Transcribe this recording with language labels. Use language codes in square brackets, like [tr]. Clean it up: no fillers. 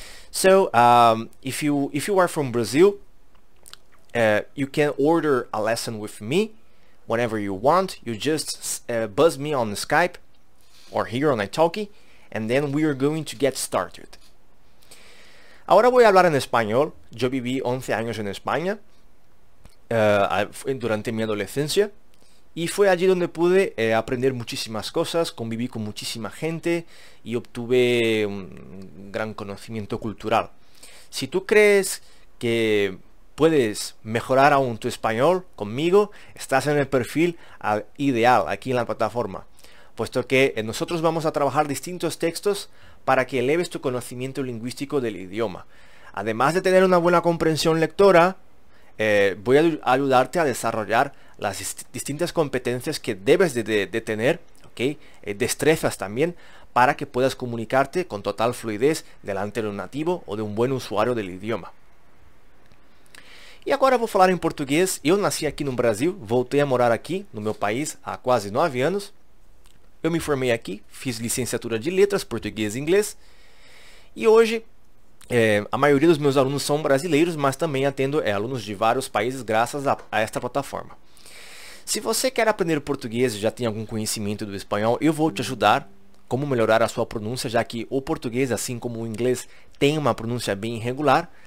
[en] So, if you are from Brazil, you can order a lesson with me whenever you want. You just buzz me on Skype or here on italki, and then we are going to get started. [es] Ahora voy a hablar en español. Yo viví 11 años en España durante mi adolescencia. Y fue allí donde pude aprender muchísimas cosas, conviví con muchísima gente y obtuve un gran conocimiento cultural. Si tú crees que puedes mejorar aún tu español conmigo, estás en el perfil ideal aquí en la plataforma, puesto que nosotros vamos a trabajar distintos textos para que eleves tu conocimiento lingüístico del idioma. Además de tener una buena comprensión lectora, voy a ayudarte a desarrollar las distintas competencias que debes de tener, ¿okay? Destrezas también, para que puedas comunicarte con total fluidez delante de un nativo o de un buen usuario del idioma. Y ahora voy a hablar en portugués. Yo nací aquí en Brasil, volví a morar aquí, en mi país, a casi 9 años. Yo me formé aquí, [pt] fiz licenciatura de letras, [es] portugués e inglés. Y hoy, [pt] a maioria dos meus alunos são brasileiros, mas também atendo alunos de vários países graças a esta plataforma. Se você quer aprender português e já tem algum conhecimento do espanhol, eu vou te ajudar como melhorar a sua pronúncia, já que o português, assim como o inglês, tem uma pronúncia bem irregular.